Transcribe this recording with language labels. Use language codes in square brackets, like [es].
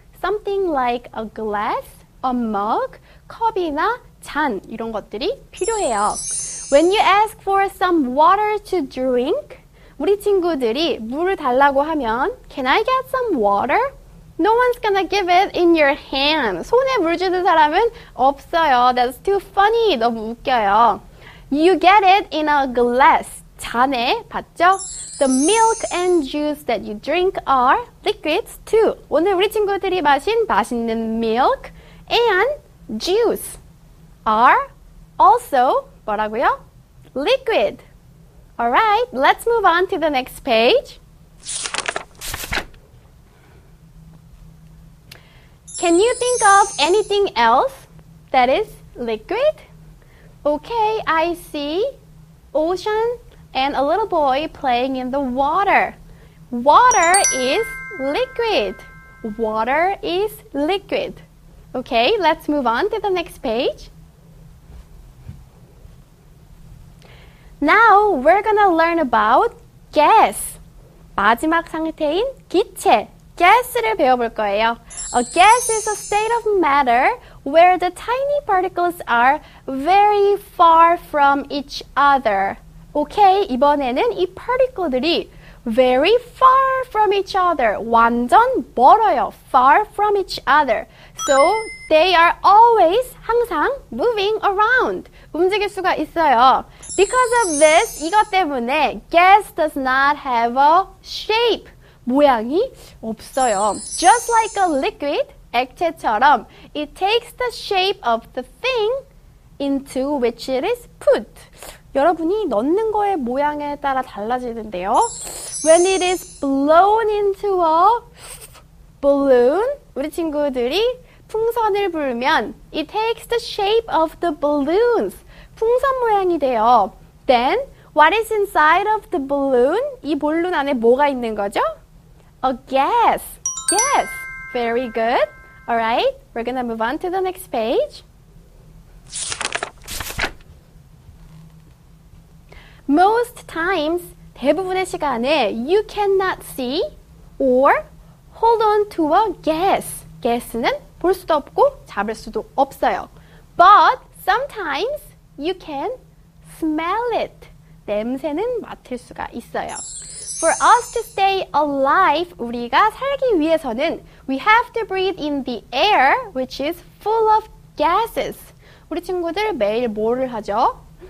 [en] Something like a glass, a mug, [ko] 컵이나 잔 이런 것들이 필요해요. [en] When you ask for some water to drink, [ko] 우리 친구들이 물을 달라고 하면 [en] Can I get some water? No one's gonna give it in your hand. [ko] 손에 물 주는 사람은 없어요. [en] That's too funny. [ko] 너무 웃겨요. [en] You get it in a glass. [ko] 잔에 봤죠? [en] The milk and juice that you drink are liquids too. [ko] 오늘 우리 친구들이 마신 맛있는 [en] milk and juice are also [ko] 뭐라고요? [en] Liquid. Alright, let's move on to the next page. Can you think of anything else that is liquid? Okay, I see ocean and a little boy playing in the water. Water is liquid. Water is liquid. Okay, let's move on to the next page. Now, we're gonna learn about gas. [ko] 마지막 상태인 기체, gas를 배워볼 거예요. [en] A gas is a state of matter where the tiny particles are very far from each other. Okay, [ko] 이번에는 이 [en] particle들이 very far from each other, [ko] 완전 멀어요, [en] far from each other. So, they are always, [ko] 항상 [en] moving around, [ko] 움직일 수가 있어요. [en] Because of this, [ko] 이것 때문에 [en] gas does not have a shape, [ko] 모양이 없어요. [en] Just like a liquid, [ko] 액체처럼, [en] it takes the shape of the thing into which it is put. [ko] 여러분이 넣는 거의 모양에 따라 달라지는데요. [en] When it is blown into a balloon, [ko] 우리 친구들이 풍선을 불면 [en] it takes the shape of the balloons. [ko] 풍선 모양이 돼요. [en] Then, what is inside of the balloon? [ko] 이 볼륨 안에 뭐가 있는 거죠? [en] A gas. Yes, very good. All right, we're gonna move on to the next page. Most times, [ko] 대부분의 시간에 [en] you cannot see or hold on to a gas. [ko] Gas는 볼 수도 없고 잡을 수도 없어요. [en] But sometimes you can smell it. [ko] 냄새는 맡을 수가 있어요. [en] For us to stay alive, [ko] 우리가 살기 위해서는 [en] we have to breathe in the air, which is full of gases. [ko] 우리 친구들 매일 뭐를 하죠?